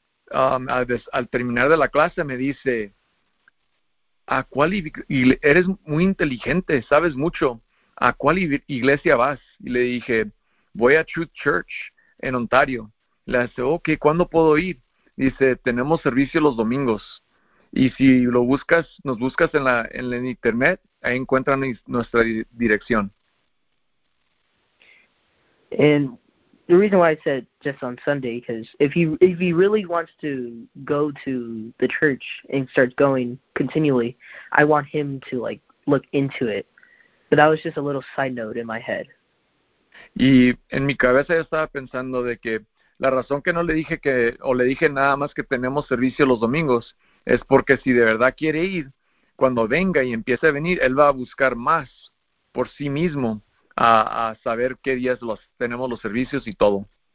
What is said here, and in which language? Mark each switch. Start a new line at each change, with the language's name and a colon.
Spanish: Al terminar de la clase me dice, ¿a cuál eres muy inteligente, sabes mucho, ¿a cuál iglesia vas? Y le dije, voy a Truth Church en Ontario. Le dice, ok, ¿cuándo puedo ir? Dice, tenemos servicio los domingos. Y si lo buscas, nos buscas en el internet, ahí encuentran nuestra dirección.
English: The reason why I said just on Sunday, because if he really wants to go to the church and start going continually, I want him to, like, look into it. But that was just a little side note in my head.
Spanish: Y en mi cabeza yo estaba pensando de que la razón que no le dije que, o le dije nada más que tenemos servicio los domingos, es porque si de verdad quiere ir, cuando venga y empiece a venir, él va a buscar más por sí mismo. A saber qué días tenemos los servicios y todo.